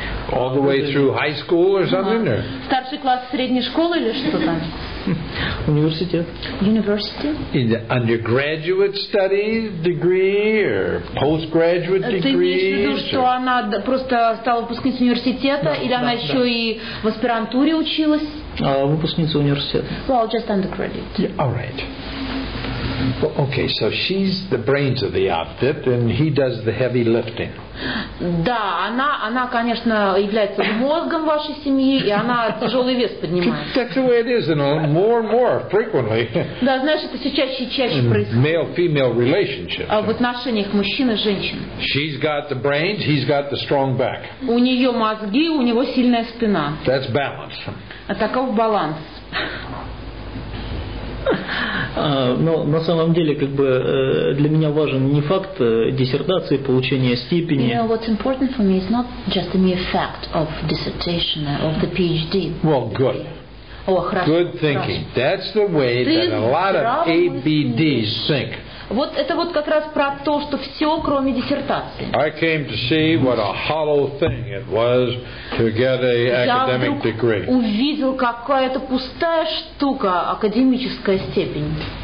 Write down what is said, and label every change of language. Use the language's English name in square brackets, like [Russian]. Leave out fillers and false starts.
[English] All the way through high school or something? [Russian] Старший класс средней школы или что-то? Университет. [English] University. In the undergraduate studies degree or postgraduate degree? [Russian] Ты имеешь в виду, что она просто стала выпускницей университета, или она еще и в аспирантуре училась? Выпускница университета. [English] Well, just undergraduate. Yeah, all right. Okay, so she's the brains of the outfit, and he does the heavy lifting. [Russian] Да, она, конечно, является мозгом вашей семьи, и она тяжелый вес поднимает. [English] That's the way it is, more and more frequently. [Russian] Да, знаешь, это все чаще и чаще происходит. [English] Male-female relationships. [Russian] В отношениях мужчина-женщина. [English] She's got the brains, he's got the strong back. [Russian] У нее мозги, у него сильная спина. [English] That's balance. [Russian] Таков баланс. Но на самом деле, как бы, для меня важен не факт диссертации, получения степени. [English] You know, what's important for me is not just the mere fact of dissertation or of the PhD. Well, good. Good thinking. That's the way that a lot of ABDs think. [Russian] Вот это вот как раз про то, что все, кроме диссертации. [English] I came to see what a hollow thing it was to get an academic degree. [Russian] Я увидел, какая это пустая штука, академическая степень.